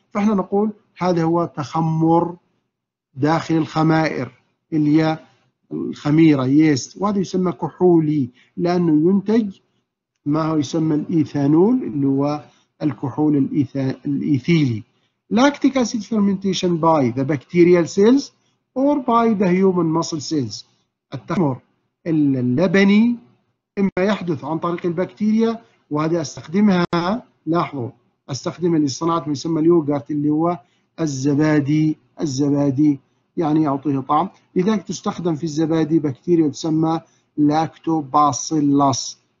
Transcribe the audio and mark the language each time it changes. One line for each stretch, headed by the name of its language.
Arabic: فإحنا نقول هذا هو تخمر داخل الخمائر اللي هي الخميرة يست، وهذا يسمى كحولي لأنه ينتج ما هو يسمى الإيثانول اللي هو الكحول الإيثيلي.
English: Lactic acid fermentation by the bacterial cells or by the human muscle cells.
Arabic: التخمر اللبني إما يحدث عن طريق البكتيريا، وهذا أستخدمها، لاحظوا أستخدم لصناعة ما يسمى اليوغرت اللي هو الزبادي، الزبادي يعني يعطيه طعم، لذلك تستخدم في الزبادي بكتيريا تسمى لاكتوباسيلس.